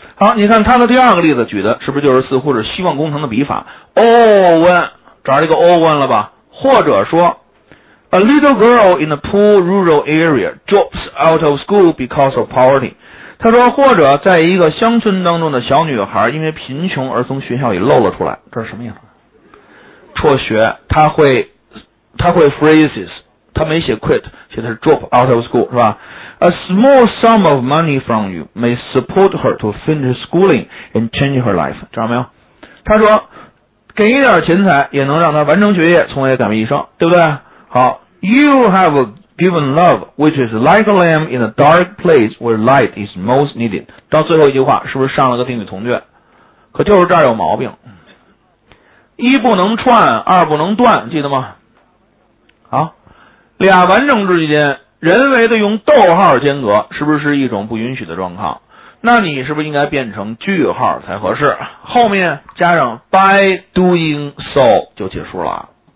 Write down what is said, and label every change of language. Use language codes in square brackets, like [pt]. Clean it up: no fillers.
[zh] 好，你看他的第二个例子举的是不是就是似乎是希望工程的笔法 Owen， 找这个 Owen 了吧。或者说 [en] A little girl in a poor rural area drops out of school because of poverty， [zh] 他说或者在一个乡村当中的小女孩因为贫穷而从学校里漏了出来，这是什么意思？辍学。他会 phrases， 他没写 quit， 写的是 drop out of school， 是吧？ [en] A small sum of money from you may support her to finish schooling and change her life， [zh] 知道没有？他说给一点钱财也能让她完成学业，从而改变一生，对不对？ [en] 好， You have given love which is like a lamb in a dark place where light is most needed， [zh] 到最后一句话是不是上了个定语从句？可就是这儿有毛病，一不能串，二不能断，记得吗？好，俩完整之间人为的用逗号间隔，是不是一种不允许的状况？那你是不是应该变成句号才合适，后面加上 by doing so 就结束了。